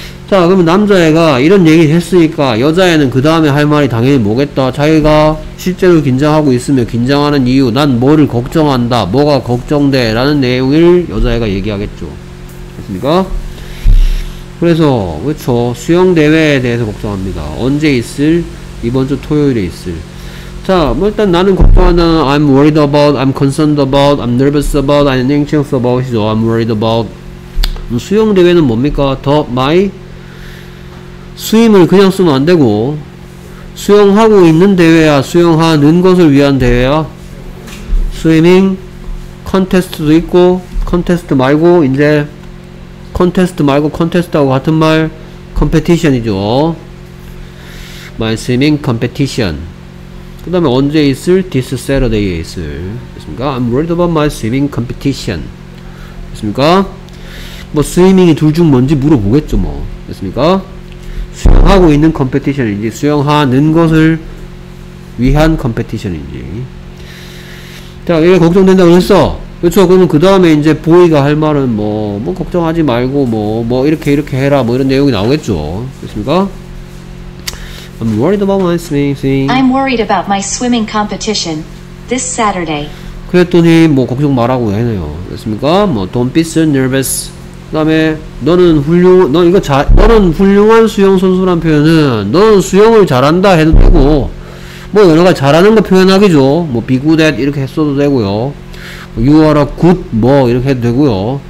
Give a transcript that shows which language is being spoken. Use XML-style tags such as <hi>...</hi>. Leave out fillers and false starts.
<ko>자, 그러면 남자애가 이런 얘기 했으니까 여자애는 그 다음에 할 말이 당연히 뭐겠다. 자기가 실제로 긴장하고 있으며 긴장하는 이유, 난 뭐를 걱정한다, 뭐가 걱정돼 라는 내용을 여자애가 얘기하겠죠. 됐습니까? 그래서 그렇죠, 수영대회에 대해서 걱정합니다. 언제 있을? 이번 주 토요일에 있을. 자, 뭐 일단 나는 걱정하는,</ko> <en>I'm worried about, I'm concerned about, I'm nervous about, I'm anxious about, I'm worried about.</en> <ko>수영대회는 뭡니까? The, my, swim을 그냥 쓰면 안 되고, 수영하고 있는 대회야, 수영하는 것을 위한 대회야. Swimming, contest도 있고, contest 말고, 이제, contest 말고, contest하고 같은 말, competition이죠.</ko> <en>My swimming competition.</en> <ko>그 다음에 언제 있을?</ko> <en>This Saturday</en> <ko>에 있을. 됐습니까?</ko> <en>I'm worried about my swimming competition. 됐습니까?</en> <ko>뭐 스위밍이 둘 중 뭔지 물어보겠죠 뭐. 됐습니까? 수영하고 있는 컴페티션인지 수영하는 것을 위한 컴페티션인지. 자, 얘 걱정된다고 했어. 그렇죠? 그러면 그 다음에 이제 보이가 할 말은 뭐 걱정하지 말고 뭐 이렇게 이렇게 해라 뭐 이런 내용이 나오겠죠. 됐습니까?</ko> <en>I'm worried about my swimming. I'm worried about my swimming competition this Saturday.</en> <ko>그랬더니 뭐 걱정 말하고 해네요. 됐습니까? 뭐</ko> <en>don't be so nervous.</en> <ko>그다음에 너는 훌륭 너 이거 잘 너는 훌륭한 수영 선수란 표현은 너는 수영을 잘한다 해도 되고 뭐 여러 가지 잘하는 거 표현하기죠. 뭐 be good at 이렇게 했어도 되고요.</ko> <en>You are a good</en> <ko>뭐 이렇게 해도 되고요.</ko>